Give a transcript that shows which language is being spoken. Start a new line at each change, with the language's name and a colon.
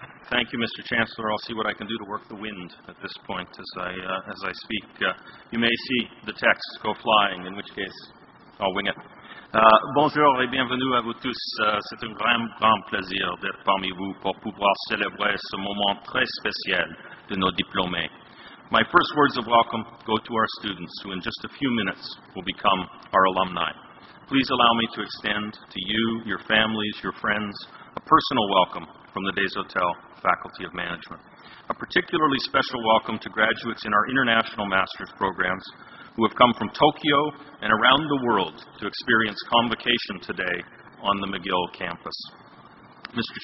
English: Thank you, Mr. Chancellor. I'll see what I can do to work the wind at this point as I speak. You may see the text go flying, in which case I'll wing it.
French: Bonjour et bienvenue à vous tous. C'est un grand, grand plaisir d'être parmi vous pour pouvoir célébrer ce moment très spécial de nos diplômés.
English: My first words of welcome go to our students, who in just a few minutes will become our alumni. Please allow me to extend to you, your families, your friends, a personal welcome from the Desautels Faculty of Management. A particularly special welcome to graduates in our international master's programs, who have come from Tokyo and around the world to experience convocation today on the McGill campus. Mr.